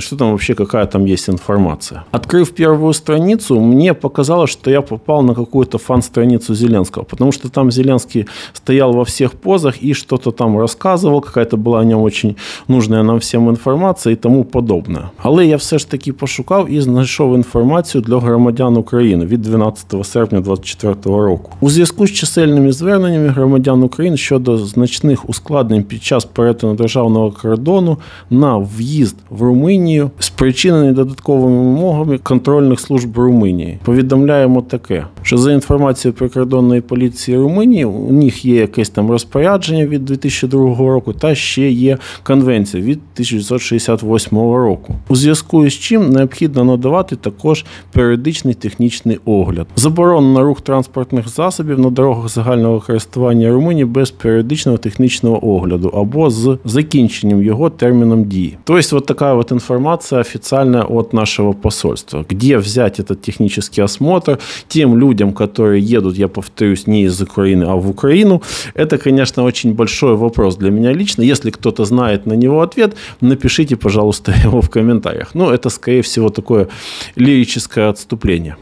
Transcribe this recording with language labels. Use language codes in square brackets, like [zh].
[ru] Что там вообще, какая там есть информация. Открыв первую страницу, мне показалось, что я попал на какую-то фан-страницу Зеленского. Потому что там Зеленский стоял во всех позах и что-то там рассказывал, какая-то была о нем очень нужная нам всем информация и тому подобное. [uk] Але я все ж таки пошукав и знайшов информацию для громадян України від 12 серпня 2024 року. У зв'язку з чисельними зверненнями громадян України щодо значних ускладнень під час перетину державного кордону на в'їзд в Румынию, спричинений додатковими вимогами контрольних служб Румынии. Повідомляємо таке, що за інформацією прикордонної поліції Румынии, у них є якесь там розпорядження від 2024 2002 року та ще є конвенція від 1968 року. У зв'язку з чим необхідно надавати також періодичний технічний огляд. Заборонено на рух транспортних засобів на дорогах загального користування Румунії без періодичного технічного огляду або з закінченням його терміном дії. Тобто, от така от інформація офіційна від нашого посольства. [ru] Где взяти этот технический осмотр тем людям, которые едут, я повторюсь, не из Украины, а в Украину, это, конечно, очень большой вопрос для меня лично. Если кто-то знает на него ответ, напишите, пожалуйста, его в комментариях. Ну, это, скорее всего, такое лирическое отступление.